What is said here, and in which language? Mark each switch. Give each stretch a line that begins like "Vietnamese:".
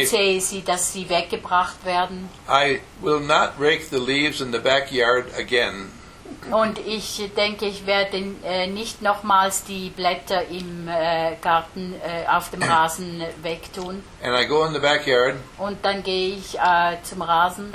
German: und sehe sie, dass sie weggebracht werden.
English: I will not rake the leaves in the backyard again.
German: Und ich denke, ich werde nicht nochmals die Blätter im Garten auf dem Rasen wegtun.
English: And I go in the backyard.
German: Und dann gehe ich zum Rasen.